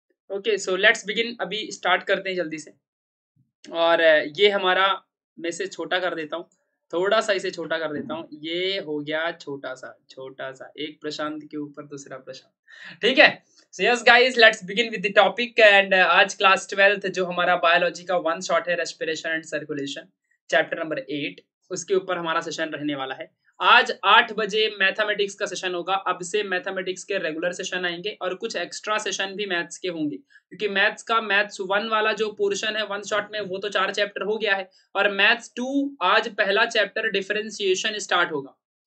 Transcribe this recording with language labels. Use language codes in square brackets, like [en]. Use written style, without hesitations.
[en] okay, so let's begin, [hi] अभी start करते हैं जल्दी से। और ये हमारा, मैं इसे छोटा कर देता हूँ, थोड़ा सा इसे छोटा कर देता हूँ। ये हो गया छोटा सा, छोटा सा, एक प्रशांत के ऊपर दूसरा प्रशांत, ठीक है? [en] So yes guys, let's begin with the topic। [hi] And आज क्लास 12th जो हमारा बायोलॉजी का वन शॉट है, respiration and circulation, chapter number 8, उसके ऊपर हमारा सेशन रहने वाला है। आज 8 बजे मैथमेटिक्स का सेशन होगा। अब से मैथमेटिक्स के रेगुलर सेशन आएंगे और कुछ एक्स्ट्रा सेशन भी मैथ्स के होंगे, क्योंकि मैथ्स का, मैथ्स वन वाला जो पोर्शन है वन शॉट में, वो तो चार चैप्टर हो गया है, और मैथ्स टू आज पहला चैप्टर डिफरेंशिएशन स्टार्ट होगा।